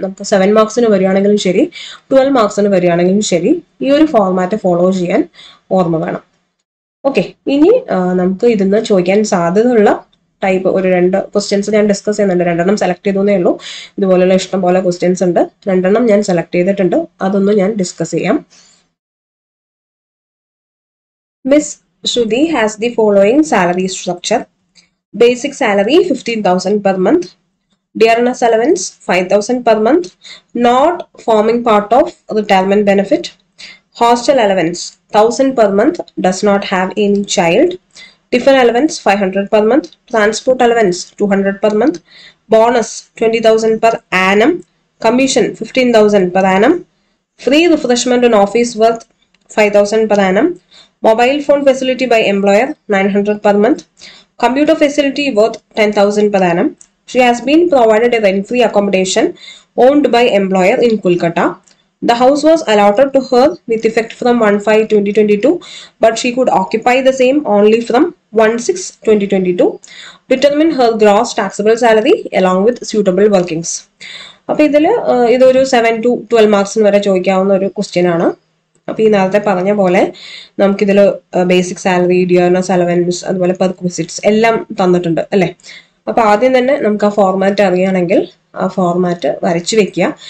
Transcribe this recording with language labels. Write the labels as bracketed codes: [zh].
[ml] നമുക്ക് 7 മാർക്സിന് വരികയാണെങ്കിലും ശരി, 12 മാർക്സിന് വരികയാണെങ്കിലും ശരി, ഈ ഒരു ഫോർമാറ്റ് ഫോളോ ചെയ്യാൻ ഓർമ്മ വേണം. ഓക്കെ, ഇനി നമുക്ക് ഇതിന്ന് ചോദിക്കാൻ സാധ്യതയുള്ള ടൈപ്പ് ഒരു 2 ക്വസ്റ്റ്യൻസ് ഞാൻ ഡിസ്കസ് ചെയ്യുന്നുണ്ട്. 2 എണ്ണം സെലക്ട് ചെയ്തേ ഉള്ളൂ. ഇതുപോലെയുള്ള ഇഷ്ടംപോലെ ക്വസ്റ്റ്യൻസ് ഉണ്ട്, 2 എണ്ണം ഞാൻ സെലക്ട് ചെയ്തിട്ടുണ്ട്, അതൊന്നും ഞാൻ ഡിസ്കസ് ചെയ്യാം. [en] Miss Shruti has the following salary structure. Basic salary 15,000 per month. Dearness allowance 5,000 per month. Not forming part of retirement benefit. Hostel allowance 1,000 per month. Does not have any child. Tiffin allowance 500 per month. Transport allowance 200 per month. Bonus 20,000 per annum. Commission 15,000 per annum. Free refreshment and office worth 5,000 per annum. Mobile phone facility by employer 900 per month. Computer facility worth 10,000 per annum. She has been provided a rent-free accommodation owned by employer in Kolkata. The house was allotted to her with effect from 1/5/2022, but she could occupy the same only from 1/6/2022. Determine her gross taxable salary along with suitable workings. [ml] അപ്പോൾ ഇതില് ഇതൊരു 7 to 12 മാർക്സിന് വരെ ചോദിക്കാവുന്ന ഒരു question ആണ്. അപ്പോൾ ഈ നേരത്തെ പറഞ്ഞ പോലെ നമുക്കിതിൽ ബേസിക് സാലറി, ഡ്യൂർണസ് അലവൻസ്, അതുപോലെ പെർക്വിസിറ്റ്സ് എല്ലാം തന്നിട്ടുണ്ട് അല്ലേ. അപ്പോൾ ആദ്യം തന്നെ നമുക്ക് ആ ഫോർമാറ്റ് അറിയണമെങ്കിൽ ആ ഫോർമാറ്റ് വരച്ച് വെക്കുക.